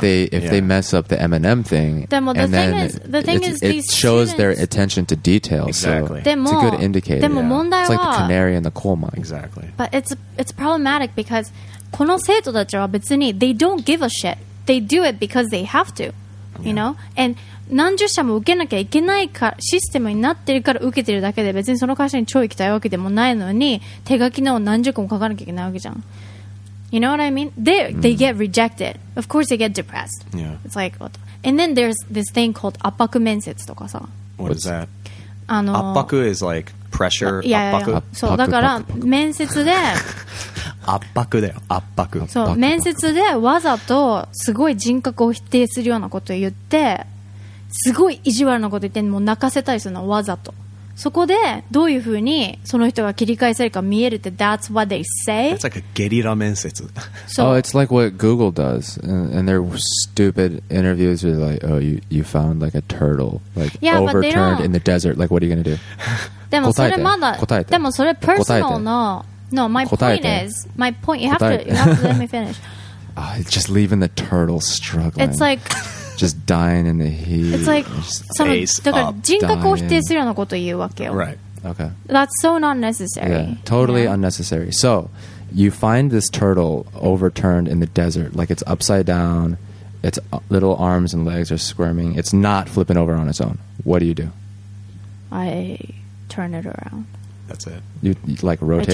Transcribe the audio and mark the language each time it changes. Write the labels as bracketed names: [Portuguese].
[English] They mess up the M&M thing, the thing is it shows their attention to detail. Exactly. So it's a good indicator. It's like the canary in the coal mine. Exactly. But it's problematic because [Japanese] この生徒たちは別に [English] they don't give a shit. They do it because they have to. You know? [Japanese] And 何十社も受けなきゃいけないかシステムになってるから受けてるだけで別にその会社に超行きたいわけでもないのに手書きの何十個も書かなきゃいけないわけじゃん。 [English] You know what I mean? They get rejected. Of course, they get depressed. Yeah. It's like, and then there's this thing called [Japanese] 圧迫面接とかさ。 [English] What is that? [Japanese] 圧 [English] 迫 is like pressure. [Japanese] そうだから面接で圧迫だよ。圧迫。そう面接でわざとすごい人格を否定するようなことを言って、すごい意地悪なこと言ってもう泣かせたりするのわざと。そこでどういうふうにその人が切り返せるか見えるって [English] That's what they say. That's like a ゲリラ面接 Oh, it's like what Google does and their stupid interviews are like, oh, you found like a turtle like yeah, overturned in the desert like what are you gonna do? [Japanese] でもそれまだ答えてでもそれ [English] personal の No, my point is my point, you have to let me finish Just leaving the turtle struggling It's like Just dying in the heat. It's like some. [Japanese] だから人格を否定するようなことを言うわけよ。 [English] Right. Okay. That's so unnecessary. Yeah. Totally yeah. unnecessary. So, you find this turtle overturned in the desert, like it's upside down. Its little arms and legs are squirming. It's not flipping over on its own. What do you do? I turn it around. That's it. You like rotate it.